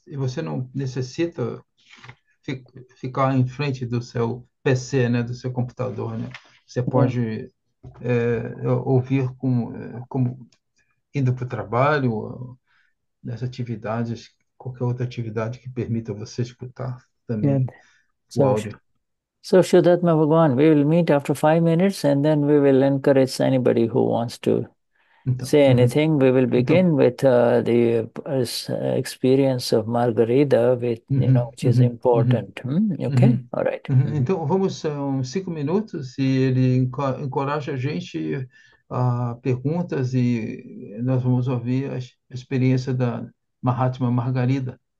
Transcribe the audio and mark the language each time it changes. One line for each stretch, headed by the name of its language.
Portuguese: Você não necessita ficar em frente do seu PC, né? Do seu computador, né? Você pode ouvir como indo para o trabalho, nessas atividades, qualquer outra atividade que permita você escutar também o áudio.
English: So Shudhat Mahabhagwan, we will meet after 5 minutes, and then we will encourage anybody who wants to
Portuguese: Então,
English: say anything. We will begin with the experience of Margarida, with, you know, which is important. Okay, all right.
Portuguese: então vamos são 5 minutos e ele encoraja a gente a perguntas e nós vamos ouvir a experiência da Mahatma Margarida.